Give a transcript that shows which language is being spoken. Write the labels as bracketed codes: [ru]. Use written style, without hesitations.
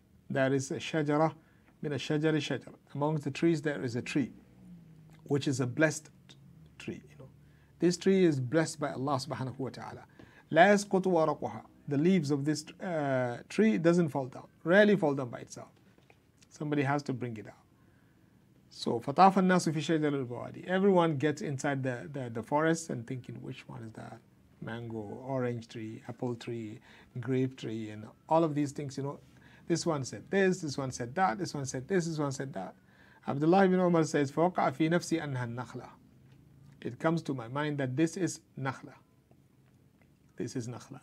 [en] There is a shajara, [ar] مِنَ الشَّجَرِ الشَّجَرَ. [en] Among the trees, there is a tree, which is a blessed tree. This tree is blessed by Allah subhanahu wa ta'ala. [ar] لا يسقط ورقها. [en] The leaves of this tree doesn't fall down. Rarely fall down by itself. Somebody has to bring it out. So [ar] فطاف الناس في شجر البوادي. [en] Everyone gets inside the forest and thinking, which one is that? Mango, orange tree, apple tree, grape tree, and all of these things. You know, this one said this. This one said that. This one said this. This one said that. Abdullah ibn Umar says, [ar] فوقع في نفسي أنها النخلة. [en] It comes to my mind that this is nakhla. This is nakhla.